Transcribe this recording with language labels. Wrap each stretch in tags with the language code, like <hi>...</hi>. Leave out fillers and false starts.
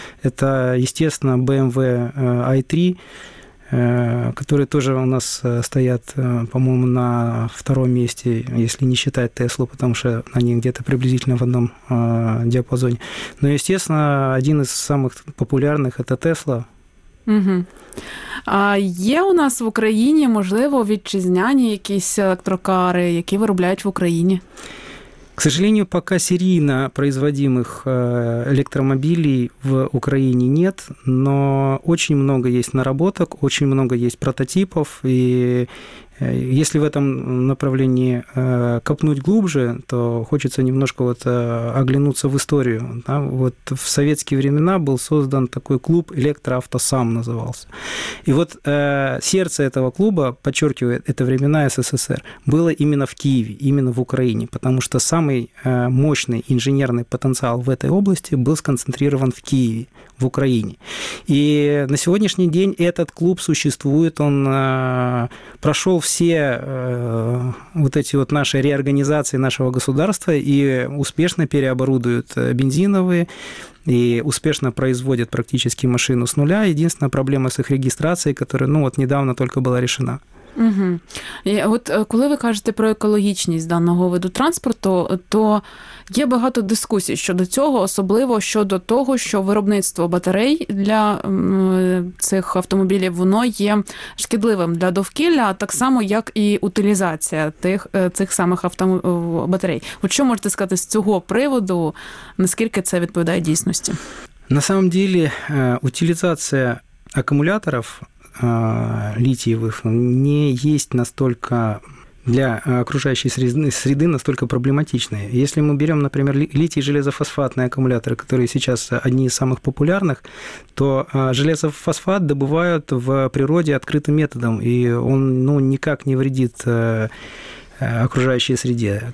<ru>Это, естественно, BMW i3, которые тоже у нас стоят, по-моему, на втором месте, если не считать Теслу, потому что они где-то приблизительно в одном диапазоне. Но, естественно, один из самых популярных – это Тесла. Угу.</ru> <uk>А є у нас в Україні, можливо, вітчизняні якісь електрокари, які виробляють в Україні?</uk> <ru>К сожалению, пока серійно производимых электромобилей в Украине нет, но очень много есть наработок, очень много есть прототипов, и если в этом направлении копнуть глубже, то хочется немножко вот оглянуться в историю. Да? Вот в советские времена был создан такой клуб «Электроавтосам» назывался. И вот сердце этого клуба, подчеркиваю, это времена СССР, было именно в Киеве, именно в Украине, потому что самый мощный инженерный потенциал в этой области был сконцентрирован в Киеве, в Украине. И на сегодняшний день этот клуб существует, он прошел все вот эти вот наши реорганизации нашего государства и успешно переоборудуют бензиновые и успешно производят практически машину с нуля. Единственная проблема с их регистрацией, которая, ну, вот недавно только была решена. Угу.</ru> <uk>І от коли ви кажете про екологічність даного виду транспорту, то є багато дискусій щодо цього, особливо щодо того, що виробництво батарей для цих автомобілів, воно є шкідливим для довкілля, так само, як і утилізація цих самих батарей. От що можете сказати з цього приводу, наскільки це відповідає дійсності?</uk> <ru>На самом деле, утилізація акумуляторів литиевых не есть настолько для окружающей среды настолько проблематичные. Если мы берем, например, литий-железофосфатные аккумуляторы, которые сейчас одни из самых популярных, то железофосфат добывают в природе открытым методом, и он, ну, никак не вредит окружающей среде.</ru>